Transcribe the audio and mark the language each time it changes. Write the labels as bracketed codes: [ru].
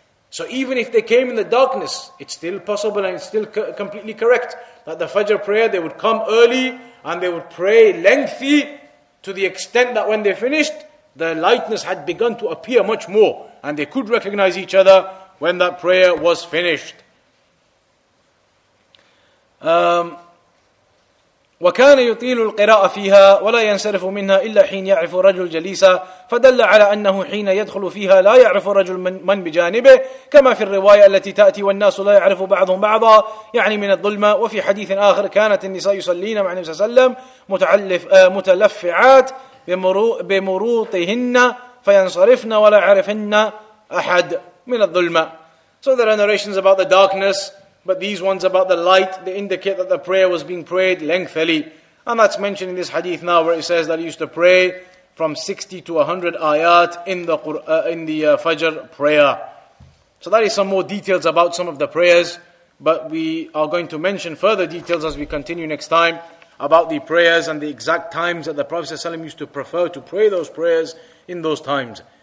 [en] So even if they came in the darkness, it's still possible and it's still completely correct that the Fajr prayer, they would come early and they would pray lengthy to the extent that when they finished, the lightness had begun to appear much more and they could recognize each other when that prayer was finished. [ar] وَكَانَ يُطِيلُ الْقِرَاءَ فِيهَا وَلَا يَنْسَرِفُ مِنْهَا إِلَّا حِينَ يَعْرِفُ الرَّجُلُ جَلِيسًا فَدَلَّ عَلَى أَنَّهُ حِينَ يَدْخُلُ فِيهَا لَا يَعْرِفُ الرَّجُلُ مَنْ بِجَانِبِهِ كَمَا فِي الرِّوَايَةِ الَّتِي تَأْتِي وَالنَّاسُ لَا يَعْرِفُ بَعْضُهُمْ بَعْضًا يعني من الظلمة وفي حديث آخر كانت النساء يصلين مع النبي صلى الله عليه وسلم متلفعات بمروطهن فينصرفن ولا يعرفن أحد من الظلمة. [en] So there are narrations about the darkness, but these ones about the light, they indicate that the prayer was being prayed lengthily. And that's mentioned in this hadith now, where it says that he used to pray from 60 to 100 ayat in the Fajr prayer. So that is some more details about some of the prayers, but we are going to mention further details as we continue next time about the prayers and the exact times that the Prophet ﷺ used to prefer to pray those prayers in those times.